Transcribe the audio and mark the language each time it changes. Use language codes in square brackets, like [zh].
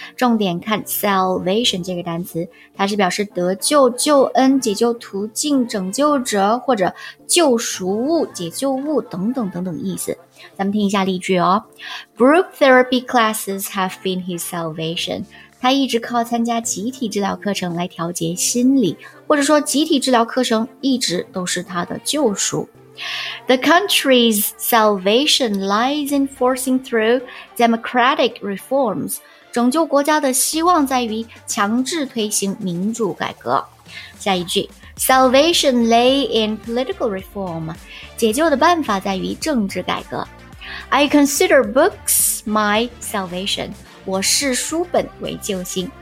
[zh] 重点看 salvation 这个单词，它是表示得救、救恩、解救途径、拯救者或者救赎物、解救物等等等等意思。咱们听一下例句哦。 [en] Group therapy classes have been his salvation. [zh] 他一直靠参加集体治疗课程来调节心理，或者说集体治疗课程一直都是他的救赎。 [en] The country's salvation lies in forcing through democratic reforms. [zh] 拯救国家的希望在于强制推行民主改革。下一句， [en] Salvation lay in political reform. [zh] 解救的办法在于政治改革。 [en] I consider books my salvation. [zh] 我视书本为救星。